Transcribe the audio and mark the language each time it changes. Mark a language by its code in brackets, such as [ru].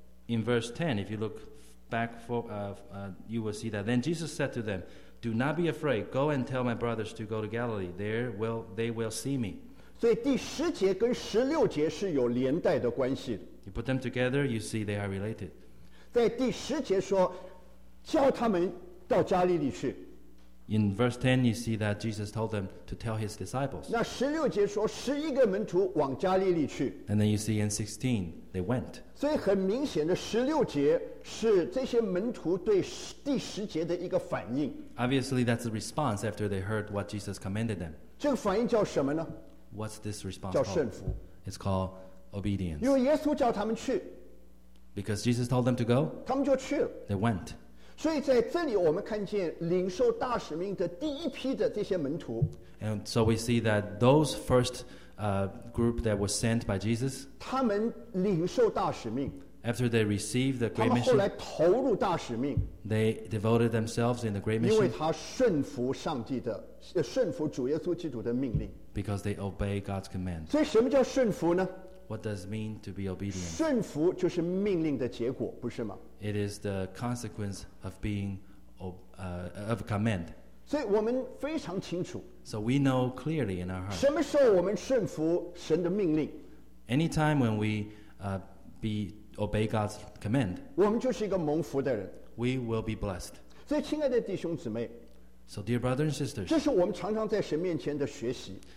[en] In verse 10, if you look back for, you will see that then Jesus said to them, "Do not be afraid. Go and tell my brothers to go to Galilee. There will they will see me." [zh] 所以第十节跟十六节是有连带的关系的。 [en] You put them together, you see they are related. [zh] 在第十节说。叫他们到加利利去。 [en] In verse 10, you see that Jesus told them to tell his disciples. [zh] 那十六节说十一个门徒往加利利去。 [en] And then you see in 16, they went. [zh] 所以很明显的，十六节是这些门徒对第十节的一个反应。 [en] Obviously, that's a response after they heard what Jesus commanded them. [zh] 这个反应叫什么呢？ [en] What's this response? [zh] 叫顺服。 [en] It's called obedience. [zh] 因为耶稣叫他们去。 [en] Because Jesus told them to go. [zh] 他们就去了。 [en] They went. [zh] 所以在这里我们看见领受大使命的第一批的这些门徒。 [en] And so we see that those first group that was sent by Jesus, [zh] 他们领受大使命。 [en] After they received the great mission, [zh] 他们后来投入大使命。 [en] They devoted themselves in the great mission, [zh] 因为他顺服上帝的，顺服主耶稣基督的命令。 [en] Because they obey God's command. [zh] 所以什么叫顺服呢？ [en] What does it mean to be obedient? [zh] 顺服就是命令的结果，不是吗？ [en] It is the consequence of being of command. [zh] 所以我们非常清楚。 [en] So we know clearly in our heart. [zh] 什么时候我们顺服神的命令？ [en] Anytime when we obey God's command. [zh] 我们就是一个蒙福的人。 [en] We will be blessed. [zh] 所以亲爱的弟兄姊妹。 [en] So dear brothers and sisters. [zh] 这是我们常常在神面前的学习。